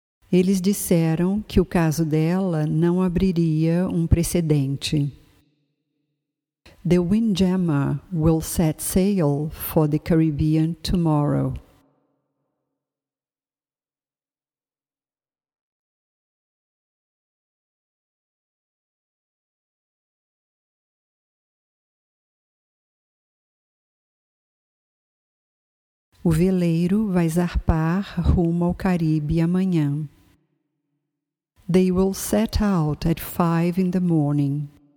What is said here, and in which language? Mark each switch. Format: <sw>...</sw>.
<pt>Eles disseram que o caso dela não abriria um precedente.</pt> <en>The Windjammer will set sail for the Caribbean tomorrow.</en> <pt>O veleiro vai zarpar rumo ao Caribe amanhã.</pt> <en>They will set out at 5 in the morning.</en>